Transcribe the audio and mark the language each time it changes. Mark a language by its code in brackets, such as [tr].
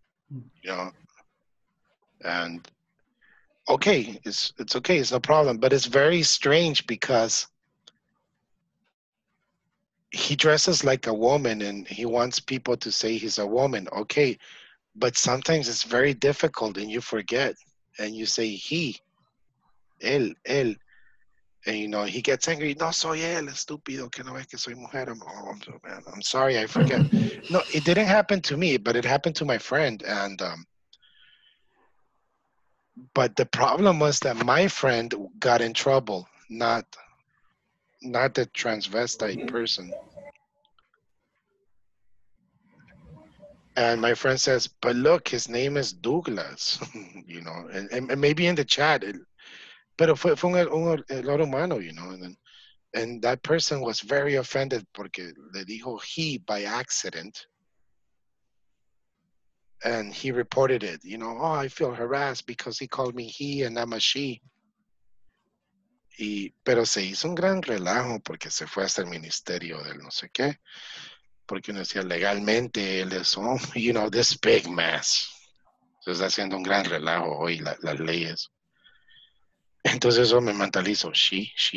[en] you know, and okay, it's okay, it's no problem. But it's very strange because he dresses like a woman and he wants people to say he's a woman. Okay, but sometimes it's very difficult and you forget and you say he, él, él. And you know, he gets angry. [es] No soy él, estúpido, que no es que soy mujer. [en] I'm sorry, I forget. No, it didn't happen to me, but it happened to my friend. And but the problem was that my friend got in trouble, not the transvestite person. And my friend says, but look, his name is Douglas, you know, and maybe in the chat, pero fue un error humano, you know, and that person was very offended porque le dijo he by accident. And he reported it, you know, oh, I feel harassed because he called me he and I'm a she. [es] Y, pero se hizo un gran relajo porque se fue hasta el ministerio del no sé qué. Porque uno decía legalmente, él es, oh, you know, this big mess. Se está haciendo un gran relajo hoy las leyes. Entonces eso me mentalizo, she.